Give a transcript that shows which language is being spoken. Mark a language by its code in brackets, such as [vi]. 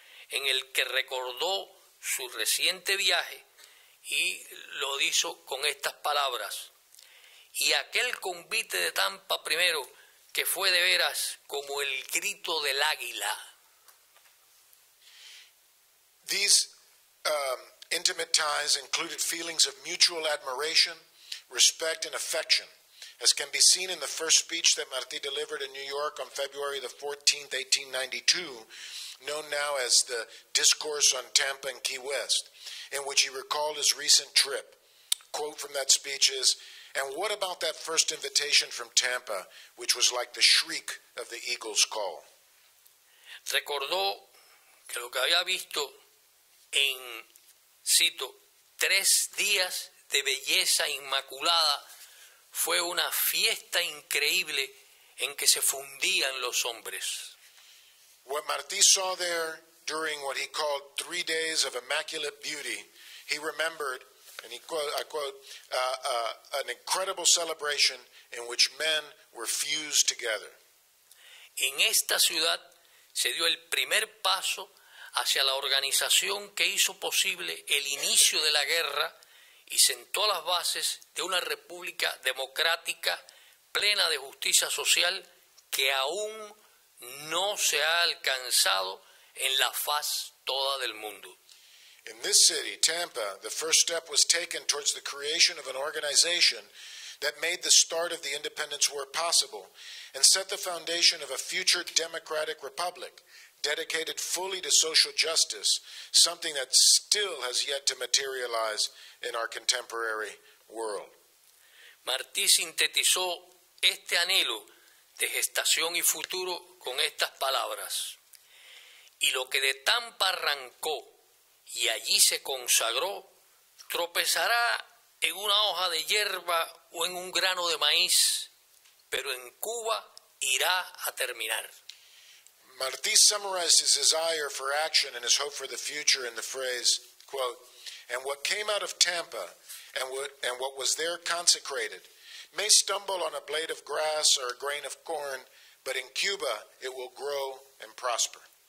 [es] en el que recordó su reciente viaje y lo hizo con estas palabras: y aquel convite de Tampa primero, que fue de veras como el grito del águila. [en] These intimate ties included feelings of mutual admiration, respect and affection, as can be seen in the first speech that Martí delivered in New York on February the 14th, 1892, known now as the Discourse on Tampa and Key West, in which he recalled his recent trip. Quote from that speech is, "And what about that first invitation from Tampa, which was like the shriek of the eagle's call?" [es] Recordó que lo que había visto en, cito, tres días de belleza inmaculada fue una fiesta increíble en que se fundían los hombres. [en] What Martí saw there during what he called 3 days of immaculate beauty, he remembered, and he quote, I quote, an incredible celebration in which men were fused together. [es] En esta ciudad se dio el primer paso hacia la organización que hizo posible el inicio de la guerra y sentó las bases de una república democrática plena de justicia social que aún no se ha alcanzado en la faz toda del mundo. [en] In this city, Tampa, the first step was taken towards the creation of an organization that made the start of the independence war possible and set the foundation of a future democratic republic dedicated fully to social justice, something that still has yet to materialize in our contemporary world. [es] Martí sintetizó este anhelo de gestación y futuro con estas palabras: y lo que de Tampa arrancó y allí se consagró, tropezará en una hoja de hierba o en un grano de maíz, pero en Cuba irá a terminar. [en] Martí summarized his desire for action and his hope for the future in the phrase, quote, "And what came out of Tampa and what was there consecrated may stumble on a blade of grass or a grain of corn, but in Cuba it will grow and prosper."